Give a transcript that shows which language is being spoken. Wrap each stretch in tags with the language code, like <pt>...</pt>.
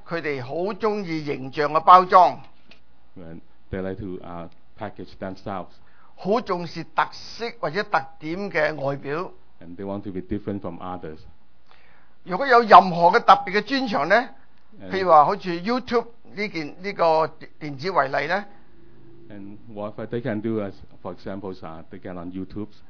<yue>佢哋好中意形象嘅包裝。</yue> <en>They like to package themselves.</en> <yue>好重視特色或者特點嘅外表。</yue> <en>And they want to be different from others.</en> <yue>如果有任何嘅特別嘅專長咧？譬如話，好似 YouTube 呢件呢個電子為例咧</yue> <en>，and whatever they can do as for example, they can on YouTube。</en>